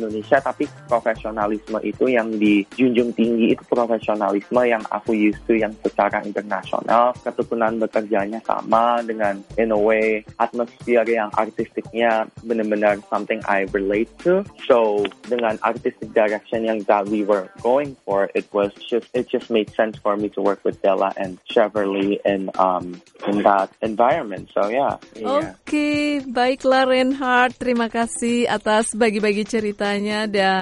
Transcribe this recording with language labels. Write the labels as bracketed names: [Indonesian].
[Indonesian] Indonesia, tapi profesionalisme itu yang dijunjung tinggi itu profesionalisme yang aku used to yang secara internasional, ketekunan bekerjanya sama dengan [English] in a way atmosphere [Indonesian] yang artistiknya benar-benar [English] something I relate to. So dengan artistic direction yang that we were going for, it just made sense for me to work with Della and Cheverly in that environment. So yeah. [Indonesian] Okay, baiklah Reinhardt, terima kasih atas bagi-bagi ceritanya dan